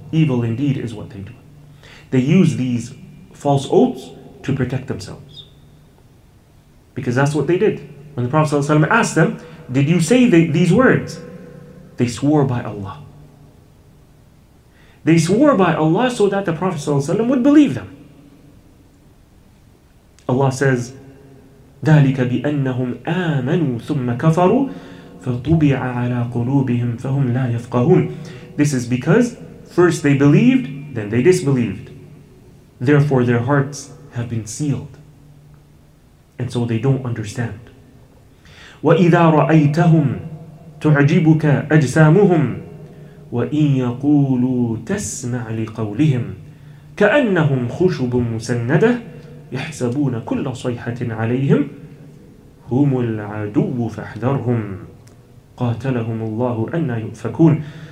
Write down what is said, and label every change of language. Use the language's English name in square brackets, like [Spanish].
[English] Evil indeed is what they do. They use these false oaths to protect themselves, because that's what they did. When the Prophet ﷺ asked them, did you say these words? They swore by Allah. They swore by Allah so that the Prophet ﷺ would believe them. Allah says, [Arabic] ذَلِكَ بِأَنَّهُمْ آمَنُوا ثُمَّ كَفَرُوا فَطُبِعَ عَلَىٰ قُلُوبِهِمْ فَهُمْ لَا يَفْقَهُونَ. [English] This is because first they believed, then they disbelieved. Therefore their hearts have been sealed, and so they don't understand. [Arabic] وَإِذَا رَأَيْتَهُمْ تُعْجِبُكَ أَجْسَامُهُمْ وَإِنْ يَقُولُوا تَسْمَعْ لِقَوْلِهِمْ كَأَنَّهُمْ خُشُبٌ مُسَنَّدَةٌ يَحْسَبُونَ كُلَّ صَيْحَةٍ عَلَيْهِمْ هُمُ الْعَدُوُّ فَاحْذَرْهُمْ قَاتَلَهُمُ اللَّهُ أَنَّا يُؤْفَكُونَ.